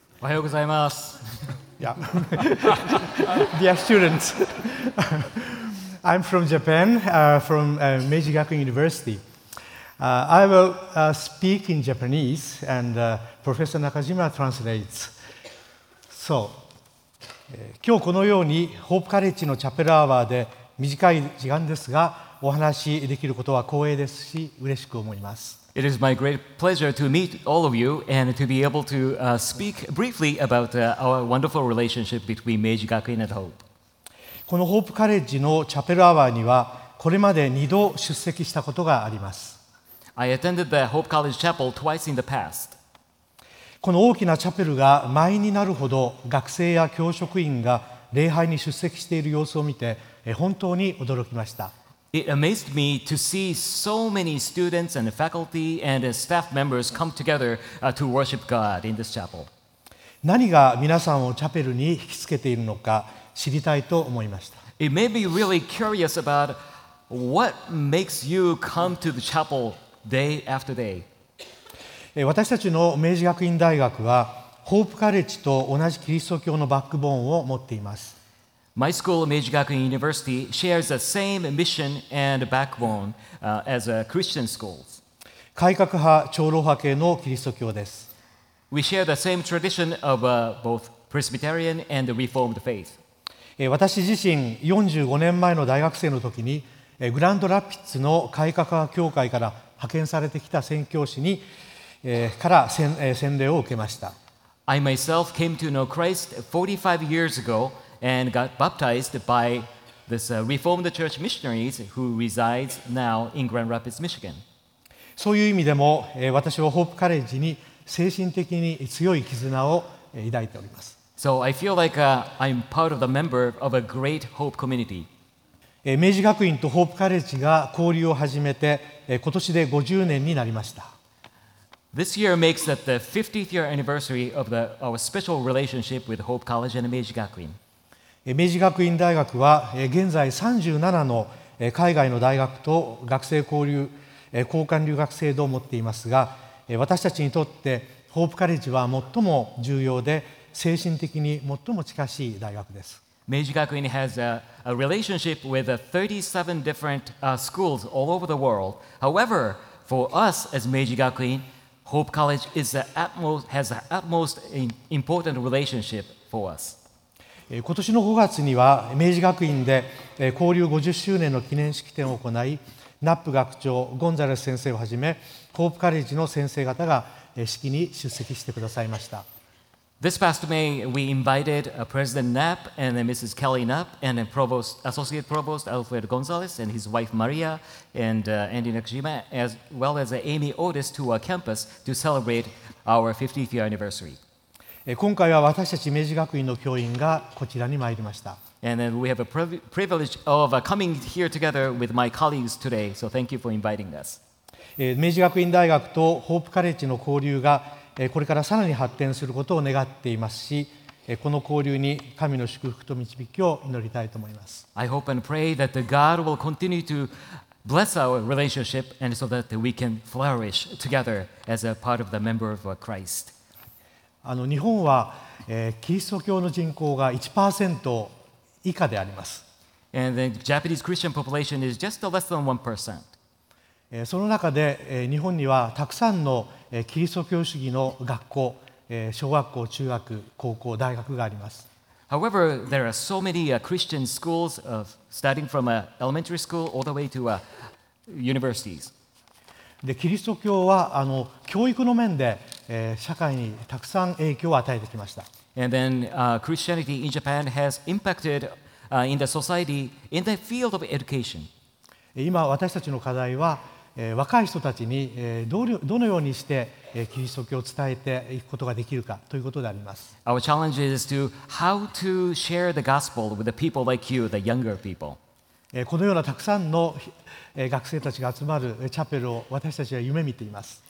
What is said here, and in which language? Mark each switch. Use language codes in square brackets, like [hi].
[ja] Ohayou gozaimasu. [en] Yeah. Dear students, I'm from Japan, from Meiji Gakuin University. I will speak in Japanese, and Professor Nakajima translates. [ja] So, 今日このようにホープカレッジのチャペルアワーで短い時間ですがお話しできることは光栄ですし嬉しく思います。 [en] It is my great pleasure to meet all of you and to be able to speak briefly about our wonderful relationship between Meiji Gakuin and Hope. [ja] このホープカレッジのチャペルアワーにはこれまで2度出席したことがあります。 [en] I attended the Hope College Chapel twice in the past. [ja] この大きなチャペルが満員になるほど学生や教職員が礼拝に出席している様子を見て本当に驚きました。 [en] It amazed me to see so many students and faculty and staff members come together to worship God in this chapel. [ja] 何が皆さんをチャペルに引きつけているのか知りたいと思いました。 [en] It made me really curious about what makes you come to the chapel day after day. [ja] 私たちの明治学院大学はホープカレッジと同じキリスト教のバックボーンを持っています。 [en] My school, Meiji Gakuin University, shares the same mission and backbone as a Christian school. [ja] 改革派、長老派系のキリスト教です。 [en] We share the same tradition of both Presbyterian and the Reformed faith. [ja] 私自身、45年前の大学生の時に、グランドラピッツの改革派教会から派遣されてきた宣教師に、から洗礼を受けました。 [en] I myself came to know Christ 45 years ago, and got baptized by this Reformed Church missionaries who resides now in Grand Rapids, Michigan. [ja] そういう意味でも、私はホープカレッジに精神的に強い絆を抱いております。 [en] So I feel like I'm part of the member of a great Hope community. [ja] 明治学院とホープカレッジが交流を始めて、今年で50年になりました。 [en] This year makes that the 50th year anniversary of our special relationship with Hope College and 明治学院。 [ja] 明治学院大学は現在37の海外の大学と学生交流、交換留学制度を持っていますが、私たちにとってホープカレッジは最も重要で、精神的に最も近しい大学です。 [en] 明治学院 has a relationship with 37 different schools all over the world. However, for us as 明治学院, Hope College has the utmost important relationship for us. [ja] 今年の5月には明治学院で交流50周年の記念式典を行い、ナップ学長ゴンザレス先生をはじめ、Hope College の先生方が式に出席してくださいました。 [en] This past May, we invited President Knapp and Mrs. Kelly Knapp and Provost, Associate Provost Alfred Gonzalez and his wife Maria and Andy Nakajima, as well as Amy Otis to our campus to celebrate our 50th year anniversary. [ja] 今回は私たち明治学院の教員がこちらに参りました。 [en] And then we have a privilege of coming here together with my colleagues today, so thank you for inviting us. [ja] 明治学院大学とホープカレッジの交流がこれからさらに発展することを願っていますし、この交流に神の祝福と導きを祈りたいと思います。 [en] I hope and pray that God will continue to bless our relationship and so that we can flourish together as a part of the member of Christ. [ja] 日本は、キリスト教の人口が 1% 以下であります。 [en] And the Japanese Christian population is just less than 1%. [ja] その中で、日本にはたくさんのキリスト教主義の学校、小学校、中学、高校、大学があります。 [en] However, there are so many Christian schools, starting from elementary school all the way to universities. [ja] で、キリスト教は教育の面で、社会にたくさん影響を与えてきました。 [en] And then, Christianity in Japan has impacted, in the society, in the field of education. [ja] 今、私たちの課題は、若い人たちにどのようにしてキリスト教を伝えていくことができるかということであります。 [en] Our challenge is to how to share the gospel with the people like you, the younger people. [ja] このようなたくさんの学生たちが集まるチャペルを私たちは夢見ています。